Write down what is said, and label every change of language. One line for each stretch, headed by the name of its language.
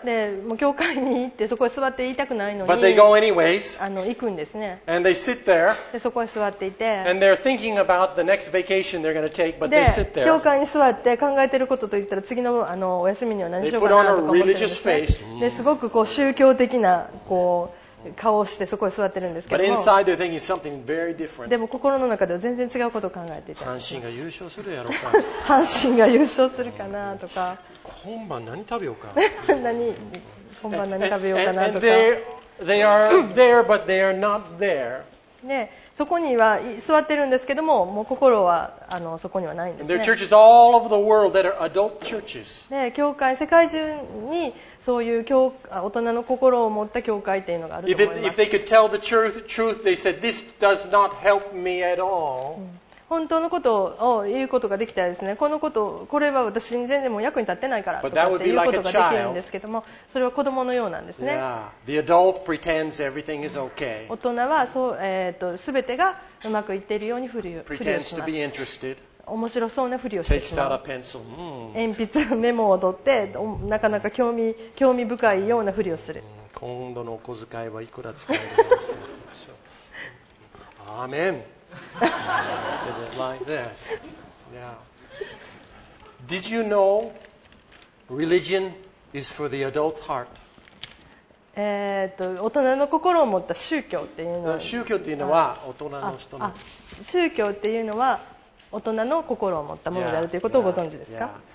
Japanese: でもう教会に行ってそこへ座って言いたくないのに
English: But they go anyways.
Japanese: 行くんですね。
English: And they sit there.
Japanese: でそこへ座っていて
English: And they're thinking about the next vacation they're going to take, but they sit there.
Japanese: 教会に座って考えてることといったら次のお休みには何しようかなとか思ってるんですね。
English: They put on a religious face.
Japanese: ですごくこう宗教的なこう顔をしてそこに座ってるんですけども
English: But inside they're thinking something very different.
Japanese: でも心の中では全然違うことを考えていた。阪神が優勝するやろうか阪神が優勝するかなとか今晩何食べようか今晩何食べようかなとか
English: and they are there but they are not there.
Japanese: ね、そこには座ってるんですけども、もう心はそこにはないんですね。
English: All over the world that are adult churches.
Japanese: ね、教会、世界中にそういう教大人の心を持った教会というのがあると思います。
English: If they could tell the truth, they said, this does not help me at all.
Japanese: 本当のことを言うことができたらですね、このこと、これは私に全然もう役に立ってないからとかって言うことができるんですけども、それは子供のようなんですね。
English: Yeah. The adult is okay.
Japanese: 大人はそう、全てがうまくいっているように振りをします。
English: To be interested.
Japanese: 面白そうなふりをしてしまう。
English: Pencil. Mm.
Japanese: 鉛筆、メモを取って、なかなか興味深いようなふりをする。今度のお小遣いはいくら使えるのか。
English: アーメン。Like this. Yeah. Did you know religion is for the adult heart?
Japanese: 大人の心を持った宗教っていうのは、宗教っていうのは大人の人の、宗教っていうのは大人の心を持ったものであるということをご存知ですか？